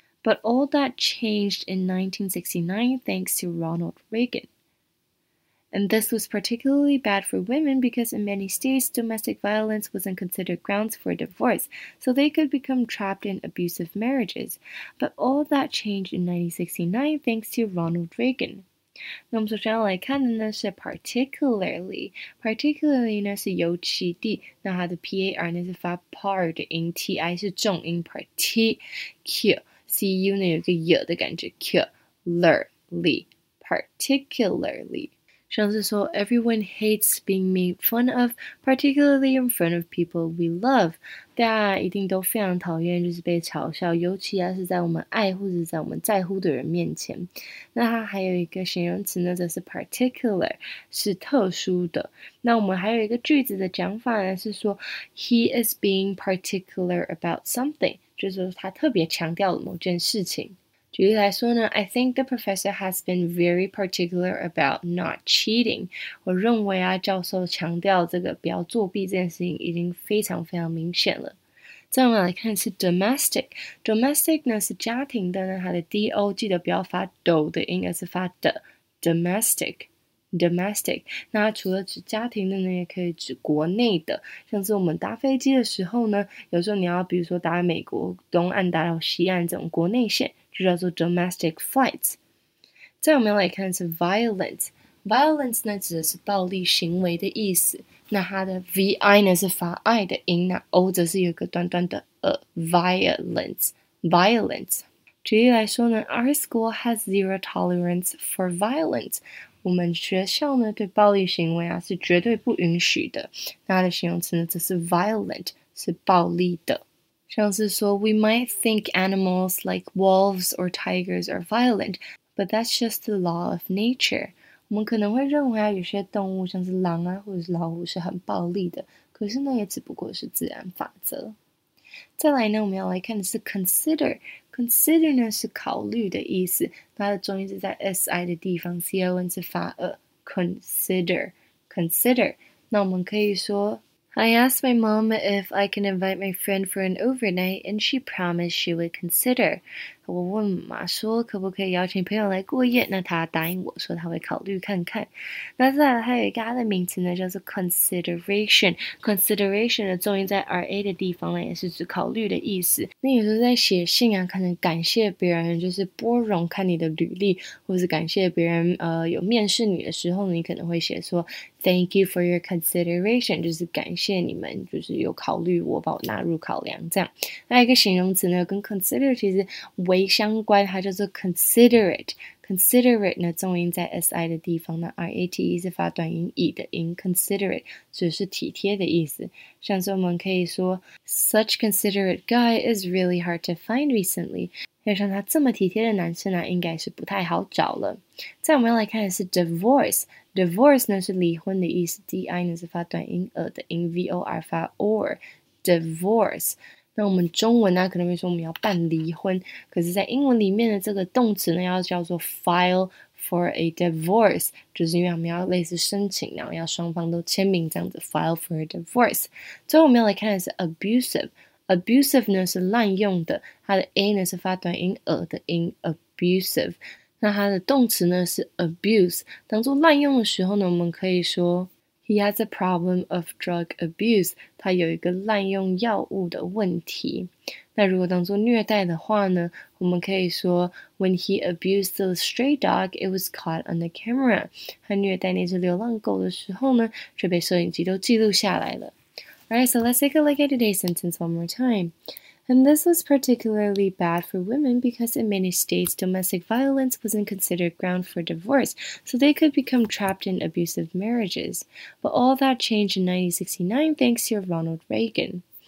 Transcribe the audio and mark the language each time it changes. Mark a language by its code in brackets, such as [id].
[en] But all that changed in 1969 thanks to Ronald Reagan. And this was particularly bad for women because in many states, domestic violence wasn't considered grounds for divorce, so they could become trapped in abusive marriages. But all that changed in 1969 thanks to Ronald Reagan. [zh] 那我们首先要来看的呢是 particularly 呢是尤其地，那它的 par 呢是发 part 音 ，ti 是重音 ，particularly 呢有一个 y 的感觉 ，clearly particularly。像是说 [en] everyone hates being made fun of, particularly in front of people we love. [zh] 大家一定都非常讨厌就是被嘲笑，尤其啊是在我们爱或者在我们在乎的人面前。那它还有一个形容词呢，则是 particular, 是特殊的。那我们还有一个句子的讲法呢，是说 [en] he is being particular about something, [zh] 就是他特别强调了某件事情。举例来说呢 [en] I think the professor has been very particular about not cheating. [zh] 我认为啊教授强调这个不要作弊这件事情已经非常非常明显了。再我们来看是 domestic. Domestic 呢是家庭的呢它的 DO 记得不要发 DO 的音而是发 D. [en] Domestic. [zh] Domestic, 那除了指家庭的呢也可以指国内的。像是我们搭飞机的时候呢有时候你要比如说搭美国东岸搭到西岸这种国内线就叫做 domestic flights。再我们来看是 violence。Violence 呢指的是暴力行为的意思。那它的 VI 呢是发 I 的音那 O 则是有一个短短的 violence。 [en] Violence。 [zh] 举例来说呢 [en] ,Our school has zero tolerance for violence. [zh] 我们学校呢对暴力行为啊是绝对不允许的。那它的形容词呢则是 violent, 是暴力的。像是说 [en] ,we might think animals like wolves or tigers are violent, but that's just the law of nature. [zh] 我们可能会认为啊有些动物像是狼啊或者是老虎是很暴力的可是呢也只不过是自然法则。再来呢我们要来看的是 consider。Consider 呢是考虑的意思，它的重音是在 si 的地方 ，con 是发 a，consider。那我们可以说 [en] ，I asked my mom if I can invite my friend for an overnight, and she promised she would consider。 [zh] 我问妈妈说可不可以邀请朋友来过夜，那她答应我说她会考虑看看。那再来还有一个它的名词呢叫做 consideration。 Consideration 的重音在 ra 的地方呢，也是指考虑的意思。那有时候在写信啊，可能感谢别人就是拨冗看你的履历，或是感谢别人有面试你的时候，你可能会写说 [en] Thank you for your consideration， [zh] 就是感谢你们就是有考虑我把我纳入考量这样。那一个形容词呢，跟 consider 其实为相关，它叫做 considerate。 considerate 呢，重音在 si 的地方呢 ，rate 是发短音 e 的音 ，considerate 所以是体贴的意思。像是我们可以说 [en] ，such considerate guy is really hard to find recently。 [zh] 要像他这么体贴的男生呢，应该是不太好找了。再我们来看的是 divorce。divorce 呢是离婚的意思 ，di 呢是发短音 e 的音 ，vor 发 or divorce。那我们中文呢、啊、可能会说我们要办离婚可是在英文里面的这个动词呢要叫做 [en] file for a divorce, [zh] 就是因为我们要类似申请然后要双方都签名这样子 file for a divorce。最后我们要来看的是 abusive。abusive 呢是滥用的它的 A 呢是发短音 a 的音 abusive。那它的动词呢是 abuse, 当作滥用的时候呢我们可以说 [en] He has a problem of drug abuse. [zh] 他有一个滥用药物的问题。那如果当作虐待的话呢，我们可以说 [en] ，When he abused the stray dog, it was caught on the camera. [zh] 他虐待那只流浪狗的时候呢，却被摄影机都记录下来了。 [en] All right, so let's take a look at today's sentence one more time. And this was particularly bad for women because in many states, domestic violence wasn't considered ground for divorce, so they could become trapped in abusive marriages. But all that changed in 1969 thanks to Ronald Reagan.